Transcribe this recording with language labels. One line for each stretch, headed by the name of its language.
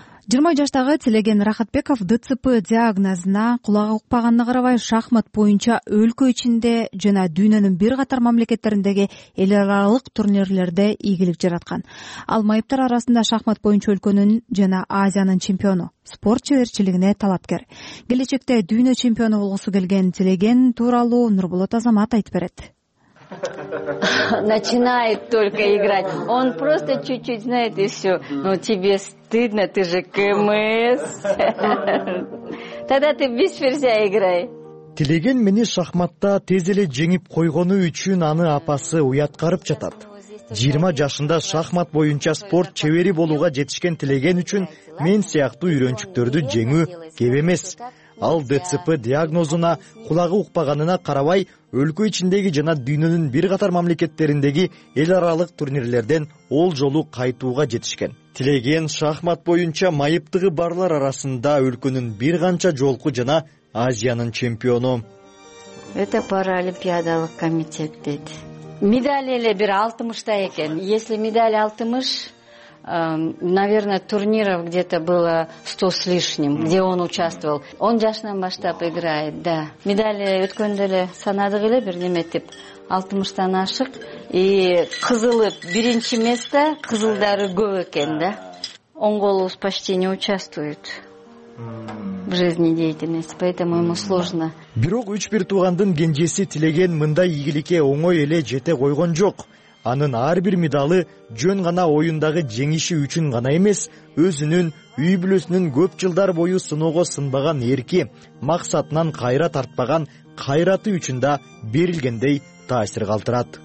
Kyrgyz: Жыйырма жаштагы Тилеген Рахатбеков ДЦП диагнозуна кулагы укпаганына карабай шахмат боюнча өлкө ичинде жана дүйнөнүн бир катар мамлекеттериндеги эл аралык турнирлерде ийгилик жараткан. Ал майыптар арасында шахмат боюнча өлкөнүн жана Азиянын чемпиону, спорт чеберчилигине талапкер. Келечекте дүйнө чемпиону болгусу келген Тилеген тууралуу Нурболот Азамат айтып берет.
Russian: Начинает только играть. Он просто чуть-чуть знает и все. Ну, тебе стыдно, ты же КМС. Тогда ты без ферзя играй.
Kyrgyz: Тилеген мени шахматта тез эле жеңип койгону үчүн аны апасы уяткарып жатат. 20 жашында шахмат боюнча спорт чебери болууга жетишкен тилеген үчүн мен сыяктуу үйрөнчүктөрдү жеңүү кеп эмес. Ал ДЦП диагнозуна кулагы укпаганына карабай, өлкө ичиндеги жана дүйнөнүн бир катар мамлекеттериндеги эл аралык турнирлерден олжолу кайтууга жетишкен. Тилеген шахмат боюнча майыптыгы барлар арасында өлкөнүн бир канча жолку жана Азиянын чемпиону. Это паралимпиадалык комитет дейт. Медаль эле бир 60 экен.
Russian: Если медаль 60, наверное, турниров где-то было 100 с лишним, где он участвовал.
Kyrgyz: Он жашынан баштап играет, да. Медаль өткөндө эле санадык эле бир неметип 60-тан ашык. И кызылы биринчи место, кызылдары көп экен, да.
Russian: Оңголубуз почти не участвует. В жизни деятельности, поэтому ему сложно.
Kyrgyz: Бирок үч бир туугандын кенжеси тилеген мындай ийгиликке оңой эле жете койгон жок. Анын ар бир медалы жөн гана оюндагы жеңиши үчүн гана эмес, өзүнүн үй бүлөсүнүн көп жылдар бою сыноого сынбаган эрки, максатынан кайра тартпаган кайраты үчүн да берилгендей таасир калтырат.